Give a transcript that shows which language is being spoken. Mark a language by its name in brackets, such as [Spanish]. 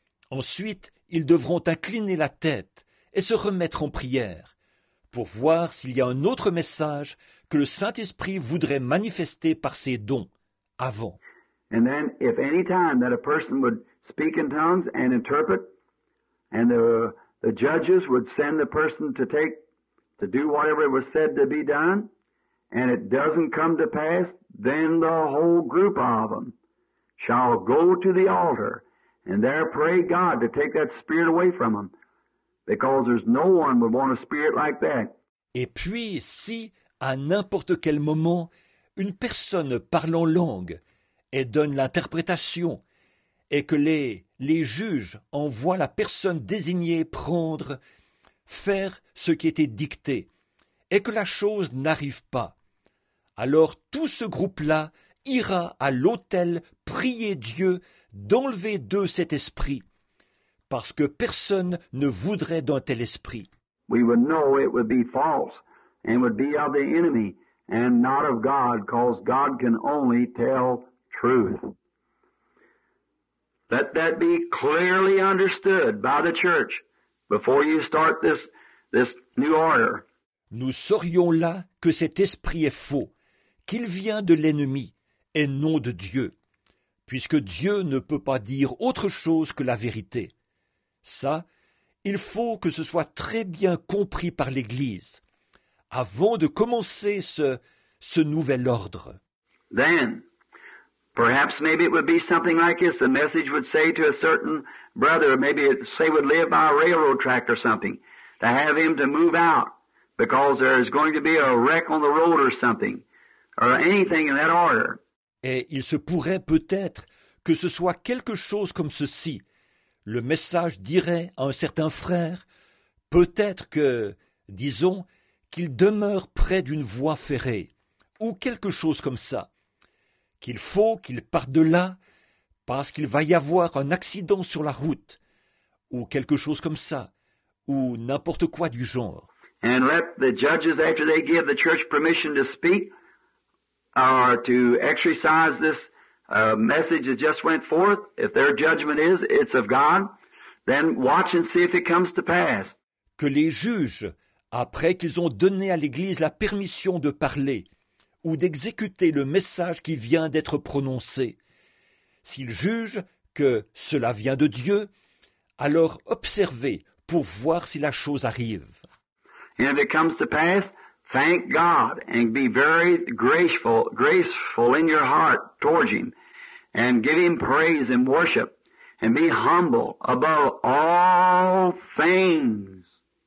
[French] Ensuite, ils devront incliner la tête et se remettre en prière pour voir s'il y a un autre message que le Saint-Esprit voudrait manifester par ses dons avant. [English] And then, if any time that a person would speak in tongues and interpret, and the judges would send the person to do whatever was said to be done, and it doesn't come to pass, then the whole group of them shall go to the altar and there pray God to take that spirit away from them, because there's no one would want a spirit like that. [French] Et puis, si, à n'importe quel moment, une personne parle en langue et donne l'interprétation, et que les juges envoient la personne désignée faire ce qui était dicté, et que la chose n'arrive pas, alors tout ce groupe-là ira à l'autel prier Dieu d'enlever d'eux cet esprit, parce que personne ne voudrait d'un tel esprit. [English] We would know it would be false and would be of the enemy and not of God, because God can only tell truth. Let that be clearly understood by the church before you start this new order. [French] Nous saurions là que cet esprit est faux, qu'il vient de l'ennemi et non de Dieu. puisque Dieu ne peut pas dire autre chose que la vérité. Ça, il faut que ce soit très bien compris par l'Église, avant de commencer ce nouvel ordre. [English] Then, perhaps maybe it would be something like this. The message would say to a certain brother, maybe it say would live by a railroad track or something, to have him to move out because there is going to be a wreck on the road or something, or anything in that order. [French] Et il se pourrait peut-être que ce soit quelque chose comme ceci. Le message dirait à un certain frère, peut-être que, disons, qu'il demeure près d'une voie ferrée, ou quelque chose comme ça. Qu'il faut qu'il parte de là, parce qu'il va y avoir un accident sur la route, ou quelque chose comme ça, ou n'importe quoi du genre. [English] And let the judges, after they give the church permission to speak, to exercise this message that just went forth, if their judgment is, it's of God, then watch and see if it comes to pass. [French] Que les juges, après qu'ils ont donné à l'Église la permission de parler ou d'exécuter le message qui vient d'être prononcé, s'ils jugent que cela vient de Dieu, alors observez pour voir si la chose arrive. [English] And if it comes to pass, thank God and be very graceful in your heart towards Him and give Him praise and worship and be humble above all things.